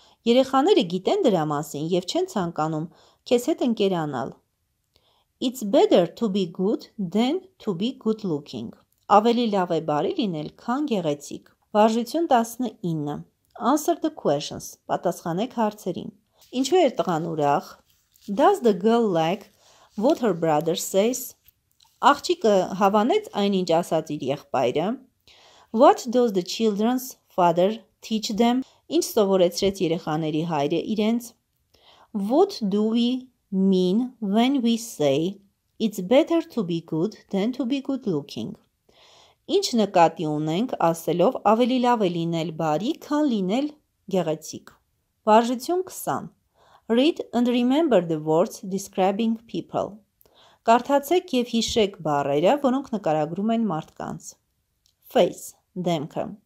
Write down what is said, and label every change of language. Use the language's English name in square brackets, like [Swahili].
[Armenian] Երեխաները գիտեն դրա մասին եւ չեն ցանկանում քեզ հետ ընկերանալ։ [English] It's better to be good than to be good looking. [Armenian] Ավելի լավ է բարի լինել, քան գեղեցիկ։ Վարժություն 19. [English] Answer the questions. [Armenian] Պատասխանեք հարցերին։ Ինչու է տղան ուրախ? [English] Does the girl like what her brother says? [Armenian] Աղջիկը հավանեց այնինչ ասաց իր եղբայրը? [English] What does the children's father teach them? [Armenian] Ինչ սովորեցրեց երեխաների հայրը իրենց? [English] What do we mean when we say it's better to be good than to be good looking? [Armenian] Ինչ նկատի ունենք ասելով ավելի լավ է լինել բարի, քան լինել գեղեցիկ? Վարժություն 20. [English] Read and remember the words describing people. [Armenian] Կարդացեք եւ հիշեք բառերը, որոնք նկարագրում են մարդկանց։ Face դեմքը.